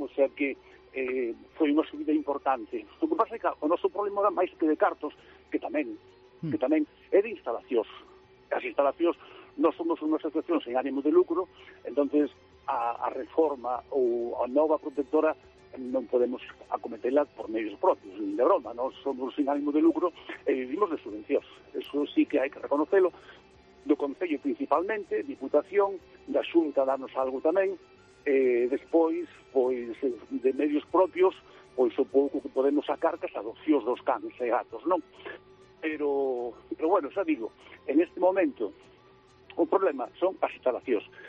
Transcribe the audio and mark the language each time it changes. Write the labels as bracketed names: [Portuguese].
[Galician] O sea que foi unha subida importante. O que pasa é que o noso problema era máis que de cartos, que tamén é de instalacións. As instalacións non somos unha asociación sen ánimo de lucro, entonces a reforma ou a nova protectora [Spanish] no podemos acometerla por medios propios, ni de broma, no somos sin ánimo de lucro, vivimos de subvenciones. Eso sí que hay que reconocerlo, [Galician] do Concello principalmente, Diputación, da Xunta darnos algo tamén, despois, pois, de medios propios, pois o pouco que podemos sacar que as adopcións dos canes e gatos, non? Pero bueno, xa digo, en este momento, o problema son as instalacións.